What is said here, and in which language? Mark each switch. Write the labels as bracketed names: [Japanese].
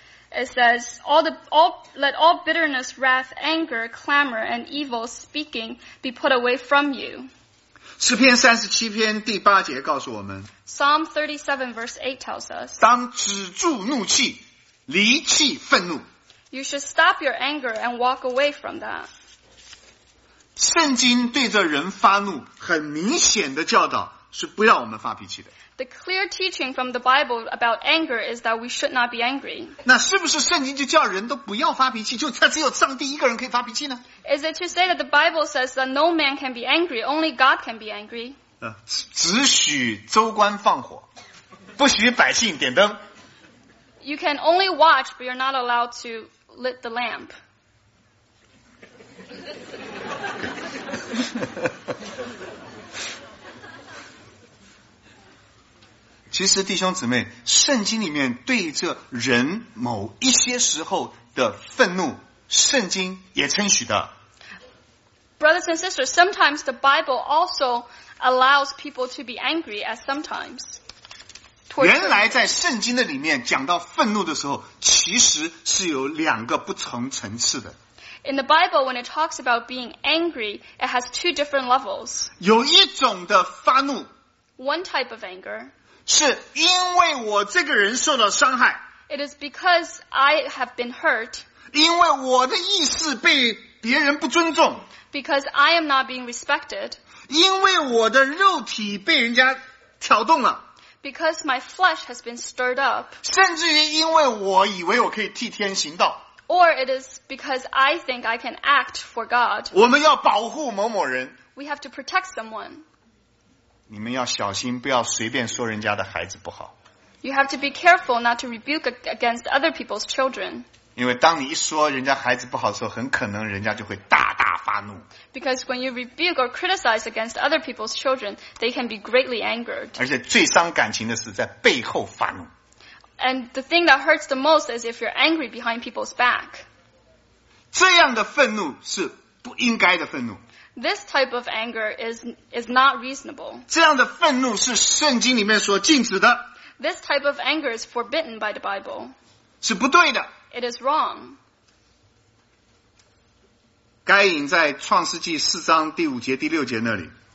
[English] It says, let all bitterness, wrath, anger, clamor, and evil speaking be put away from you. [Chinese] 诗篇三十七篇第八节告诉我们。 [English] Psalm 37 verse 8 tells us. [Chinese] 当止住怒气，离弃愤怒。 [English] You should stop your anger and walk away from that. [Chinese] 圣经对着人发怒，很明显的教导是不要我们发脾气的。 [English] The clear teaching from the Bible about anger is that we should not be angry. [Chinese] 那是不是圣经就叫人都不要发脾气，就他只有上帝一个人可以发脾气呢？ [English] Is it to say that the Bible says that no man can be angry, only God can be angry? [Chinese] 只许州官放火，不许百姓点灯。 [English] You can only watch, but you're not allowed to lit the lamp. [Chinese] 其实弟兄姊妹，圣经里面对着人某一些时候的愤怒，圣经也称许的。 [English] Brothers and sisters, sometimes the Bible also allows people to be angry at sometimes. [Chinese] 原来在圣经的里面讲到愤怒的时候，其实是有两个不同层次的。 [English] In the Bible, when it talks about being angry, it has two different levels. [Chinese] 有一种的发怒。 [English] One type of anger. [Chinese] 是因为我这个人受到伤害。 [English] It is because I have been hurt. [Chinese] 因为我的意思被别人不尊重。 [English] Because I am not being respected. [Chinese] 因为我的肉体被人家挑动了。 [English] Because my flesh has been stirred up. [Chinese] 甚至于因为我以为我可以替天行道。 [English] Or it is because I think I can act for God. [Chinese] 我们要保护某某人。 [English] We have to protect someone. [Chinese] 你们要小心，不要随便说人家的孩子不好。 [English] You have to be careful not to rebuke against other people's children. [Chinese] 因为当你一说人家孩子不好的时候，很可能人家就会大大发怒。 [English] Because when you rebuke or criticize against other people's children, they can be greatly angered. [Chinese] 而且最伤感情的是在背后发怒。 [English] And the thing that hurts the most is if you're angry behind people's back. [Chinese] 这样的愤怒是不应该的愤怒。 [English] This type of anger is not reasonable. [Chinese] 这样的愤怒是圣经里面所禁止的。 [English] This type of anger is forbidden by the Bible. [Chinese] 是不对的。 [English] It is wrong. [Chinese] 该隐在创世纪四章第五节第六节那里。